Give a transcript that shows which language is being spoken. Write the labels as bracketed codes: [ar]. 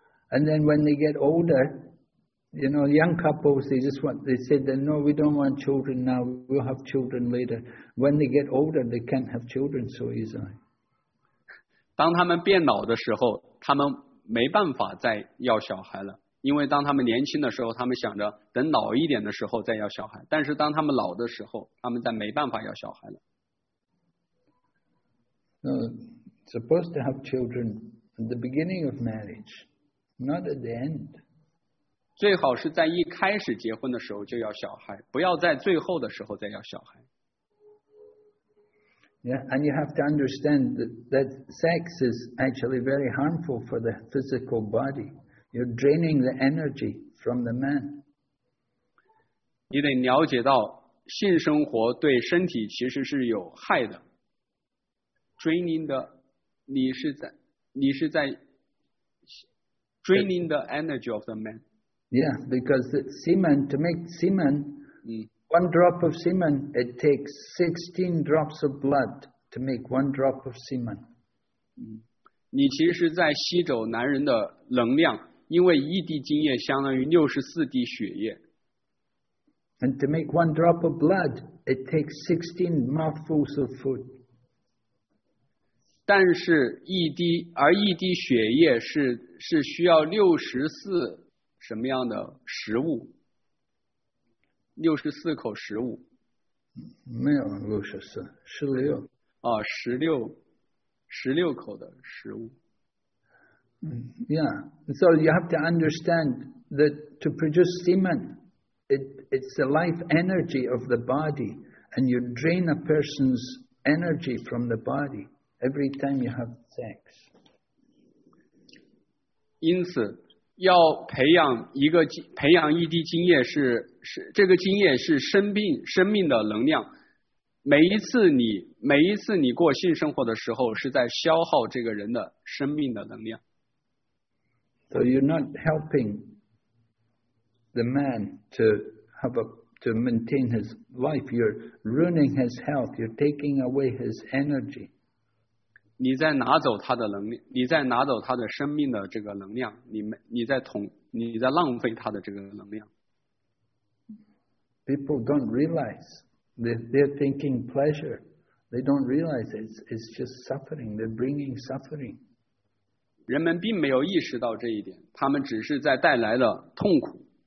[en] And then when they get older,You know, young couples, they said, we don't want children now, we'll have children later. When they get older, they can't have children so easily. [zh] 当他们变老的时候，他们没办法再要小孩了。因为当他们年轻的时候，他们想着等老一点的时候再要小孩。但是当他们老的时候，他们再没办法要小孩了。 [en] Supposed to have children at the beginning of marriage, not at the end. [zh] 最好是在一开始结婚的时候就要小孩，不要在最后的时候再要小孩。 [en] Yeah, and you have to understand that sex is actually very harmful for the physical body. You're draining the energy from the man. [zh] 你得了解到性生活对身体其实是有害的。 [en] Draining the, [zh] 你是在 [en] draining the energy of the man. Yeah, because the semen, to make semen, one drop of semen, it takes 16 drops of blood to make one drop of semen. [zh] 你其实在吸走男人的能量，因为一滴精液相当于64滴血液。 [en] And to make one drop of blood, it takes 16 mouthfuls of food. [zh] 但是一滴，而一滴血液是需要64什么样的食物？ 64口食物？没有64，16。哦，16。16口的食物。 [en] Yeah, so you have to understand that to produce semen, it's the life energy of the body, and you drain a person's energy from the body every time you have sex. [zh] 因此，要培养一滴精液是这个精液是生命的能量。每一次你过性生活的时候，是在消耗这个人的生命的能量。 [en] So you're not helping the man to maintain his life. You're ruining his health. You're taking away his energy. [zh] 你在拿走他的能力，你在拿走他的生命的这个能量，你在浪费他的这个能量。 [en] People don't realize. They're thinking pleasure. They don't realize it's just suffering. They're bringing suffering. [zh] 人们并没有意识到这一点，他们只是在带来了痛苦。